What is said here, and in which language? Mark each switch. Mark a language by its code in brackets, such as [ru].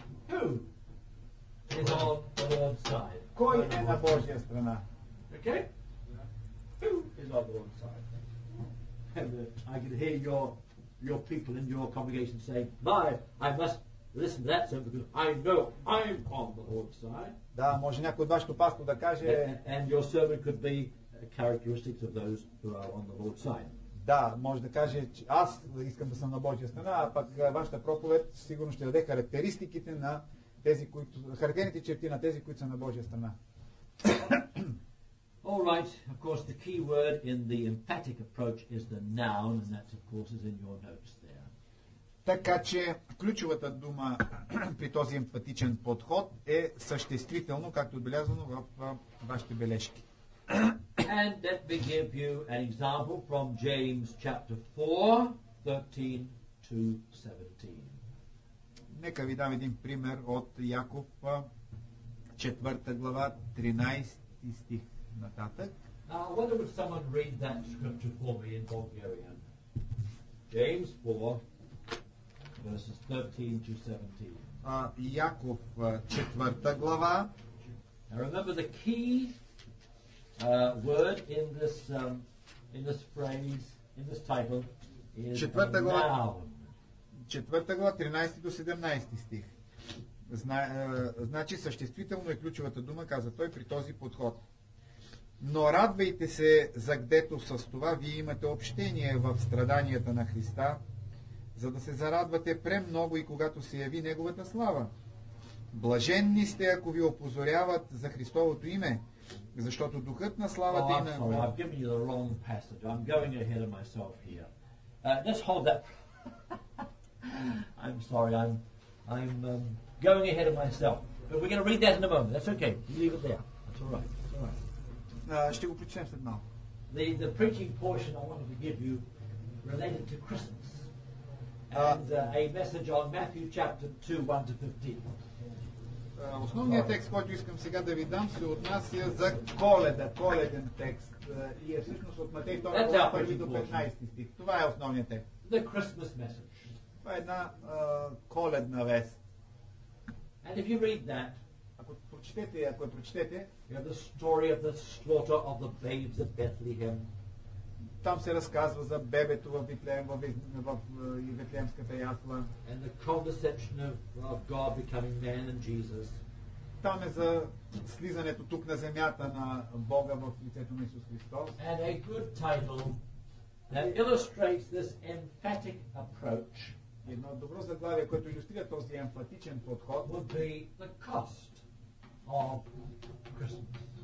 [en] Who is on the Lord's side? [bg] Кой е на Божия страна? [en] Okay. Who is on the Lord's side? I can hear your people in your congregation say, my, I must listen to that sermon because I know I'm on the Lord's side. [bg] Да, може някой от вашето пасто да каже. [en] And your sermon could be characteristics of those who are on the Lord's side. [bg] Да, може да каже, че аз искам да съм на Божия страна, а пък вашата проповед сигурно ще даде характеристиките на тези, които, характерните черти на тези, които са на Божия страна. [en] All right, of course the key word in the emphatic approach is the noun, and that of course is in your notes there. [bg] Така че ключовата дума при този емфатичен подход е съществително, както отбелязано в вашите бележки. [en] And let me give you an example from James chapter 4, 13 to 17. [bg] Нека ви дам един пример от Яков, 4 глава, 13 стих. [en] Now, I wonder would someone read that scripture for me in Bulgarian? James 4, verses 13 to 17. [bg] Яков, 4 глава. [en] Now, remember the key word in this phrase, in this title, is 4 [bg] глава, [en] noun. [bg] 4 глава, 13 до 17 стих. Значи съществително е ключовата дума, каза той, при този подход. Но радвайте се, загдето с това вие имате общение в страданията на Христа, за да се зарадвате премного и когато се яви Неговата слава. Блаженни сте, ако ви опозоряват за Христовото име, защото духът на славата има... [en] Oh, I'm giving you the wrong passage. I'm going ahead of myself here. Just hold that. I'm sorry, I'm going ahead of myself. But we're going to read that in a moment. That's okay. Leave it there. That's all right. That's all right. [bg] Ще го прочитам след малко. [en] The preaching portion I wanted to give you related to Christmas. And a message on Matthew chapter 2, 1-15. [bg] Основният текст, който искам сега да ви дам, се отнася за коледен текст. И е всъщност от Матей 2, 1 до 15 стих. Това е основният текст. [en] The Christmas message. [bg] Това е една коледна вест. [en] And if you read that, [bg] ако прочетете, [en] you have the story of the slaughter of the babes at Bethlehem. [bg] Там се разказва за бебето в Витлеем, в Витлеемската ясла. [en] And the condescension of God becoming man in Jesus. [bg] Там е за слизането тук на земята на Бога в лицето на Исус Христос. [en] And a good title that illustrates this emphatic approach. [bg] Едно добро заглавие, което илюстрира този емфатичен подход, [en] would be the cost of Christmas.